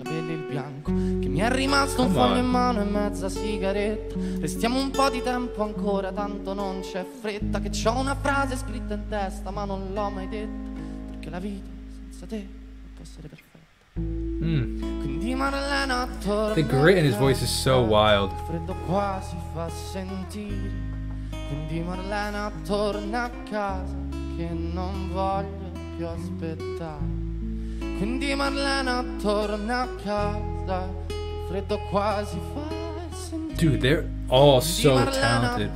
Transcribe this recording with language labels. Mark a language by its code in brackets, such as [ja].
[it] Che mi è rimasto un fumo in mano e mezza sigaretta. Restiamo un po' di tempo ancora, tanto non c'è fretta. Che c'ho una frase scritta in testa, ma non l'ho mai detta. Perché la vita senza te non può essere perfetta. [en] The grit in his voice is so wild. [it] Freddo quasi fa sentire. Quindi Marlena torna a casa che non voglio più aspettare. Quindi Marlena torna a casa. Freddo quasi fa sentire. [en] Dude, they're all so talented.